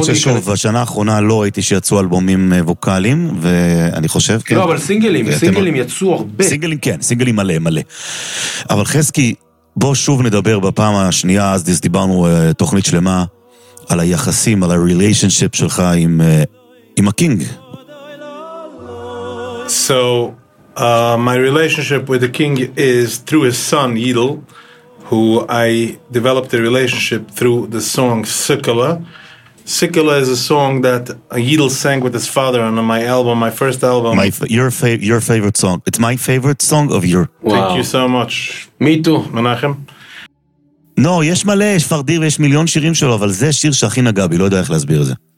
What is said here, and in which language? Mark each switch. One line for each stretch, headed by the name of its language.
Hebrew: נכון, למרות ששוב, בשנה האחרונה לא הייתי שיצאו אלבומים ווקליים, ואני חושב... לא, אבל סינגלים יצאו הרבה. סינגלים כן, סינגלים מלא. אבל חסקי, בוא שוב נדבר בפעם השנייה, אז דיברנו תוכנית שלמה על היחסים, על הריליישנשיפ שלך עם הקינג.
English: So, my relationship with the king is through his son, Yidl. Who I developed a relationship through the song Sikala. Sikala is a song that Yidl sang with his father on my album, my first album. Your favorite song. It's my favorite song of your. Wow. Thank you so much. Me too. Menachem.
Hebrew: No, יש מלא, יש פרדיר ויש מיליון שירים שלו, אבל זה שיר שהכי נגע בי, לא יודע איך להסביר זה.